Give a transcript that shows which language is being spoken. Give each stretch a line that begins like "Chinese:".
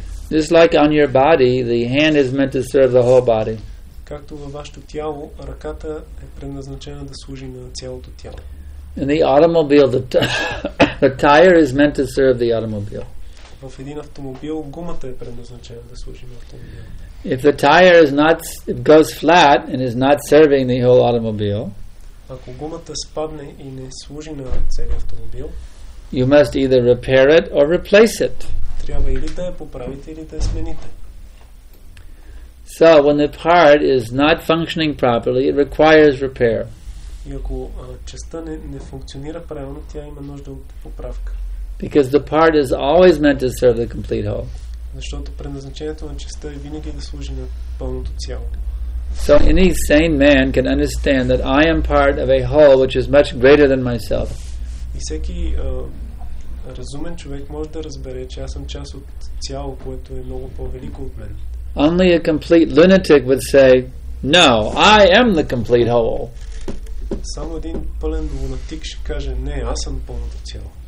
English: Just like on your body, the hand is meant to serve the whole body.
Bulgarian: Както във вашето тяло, ръката е предназначена да служи на цялото тяло.
English: In the automobile, the tire is meant to serve the automobile.
Bulgarian: В един автомобил гумата е предназначена да служи на автомобила.
English: If the tire is not, it goes flat and is not serving the whole automobile,
Bulgarian: ако гумата спадне и не служи на целия автомобил,
English: you must either repair it or replace it.
Bulgarian: Трябва или да я поправите, или да я смените.
English: So when the part is not functioning properly, it requires repair.
Bulgarian: И ако частта не функционира правилно, тя има нужда от поправка.
English: Because the part is always meant to serve the complete whole.
Bulgarian: Защото предназначението на частта е винаги да служи на пълното цяло.
English: So any sane man can understand that I am part of a whole which is much greater than myself.
Bulgarian: И всеки разумен човек може да разбере, че аз съм част от цяло, което е много по-велико от мен.
English: Only a complete lunatic would say, "No, I am the complete whole."
Bulgarian: Само един пълен лунатик ще каже, "Не, аз съм пълното цяло."